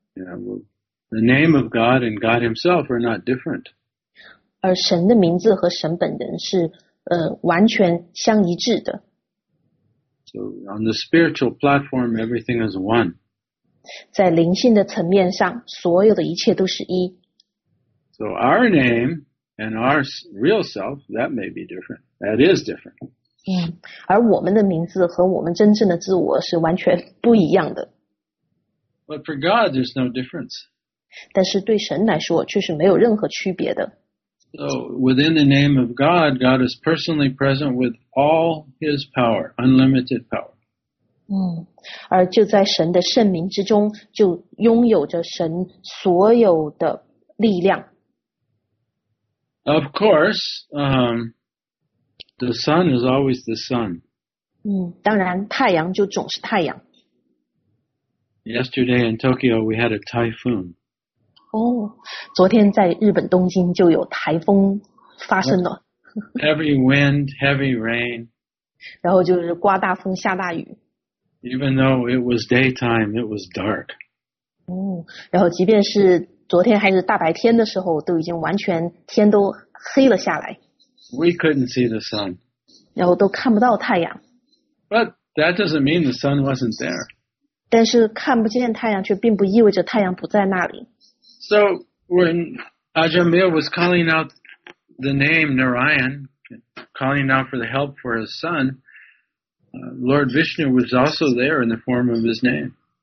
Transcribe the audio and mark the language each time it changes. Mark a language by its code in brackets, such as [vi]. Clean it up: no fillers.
[en] Yeah, well, the name of God and God himself are not different. [zh] 而神的名字和神本人是完全相一致的。 [en] So on the spiritual platform, everything is one. [zh] 在灵性的层面上，所有的一切都是一。 [en] So our name and our real self, that may be different. That is different. [zh] 而我们的名字和我们真正的自我是完全不一样的。 [en] But for God, there's no difference. [zh] 但是对神来说，却是没有任何区别的。 [en] So within the name of God, God is personally present with all his power, unlimited power. [zh] 而就在神的圣名之中，就拥有着神所有的力量。 [en] Of course, the sun is always the sun. [zh] 当然太阳就总是太阳。 [en] Yesterday in Tokyo, we had a typhoon. [zh] 昨天在日本东京就有台风发生了。 [en] Heavy wind, heavy rain. [zh] 然后就是刮大风下大雨。 [en] Even though it was daytime, it was dark. [zh] 然后即便是昨天还是大白天的时候，都已经完全天都黑了下来。 [en] We couldn't see the sun. [zh] 然后都看不到太阳。 [en] But that doesn't mean the sun wasn't there. [zh] 但是看不见太阳却并不意味着太阳不在那里。 [en] So when Ajahn Mir was calling out the name Narayan, calling out for the help for his son, Lord Vishnu was also there in the form of his name.